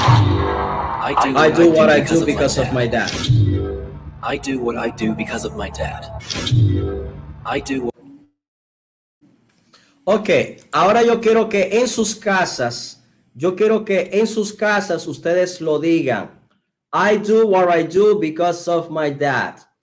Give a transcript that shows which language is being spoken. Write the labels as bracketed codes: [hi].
[en] I do what I do because of my dad. I do what I do because of my dad. I do what... [es] Okay, ahora yo quiero que en sus casas, yo quiero que en sus casas ustedes lo digan. [en] I do what I do because of my dad.